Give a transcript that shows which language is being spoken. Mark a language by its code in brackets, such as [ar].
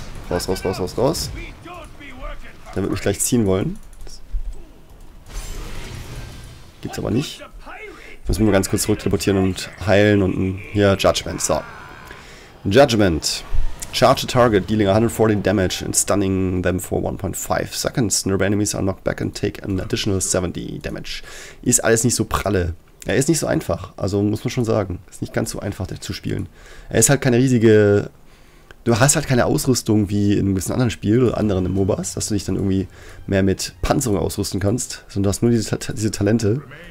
[de] Raus, raus, raus, raus, raus. Der wird mich gleich ziehen wollen. Gibt's aber nicht. Ich muss mich mal ganz kurz zurück teleportieren und heilen und hier, Judgment, so. Judgment. [en] Charge a target, dealing 140 damage and stunning them for 1.5 seconds. Nearby enemies are knocked back and take an additional 70 damage. [de] Ist alles nicht so pralle. Er ist nicht so einfach, also muss man schon sagen. Ist nicht ganz so einfach, der zu spielen. Er ist halt keine riesige... Du hast halt keine Ausrüstung wie in einem gewissen anderen Spiel oder anderen MOBAs, dass du dich dann irgendwie mehr mit Panzerung ausrüsten kannst, sondern du hast nur diese Talente.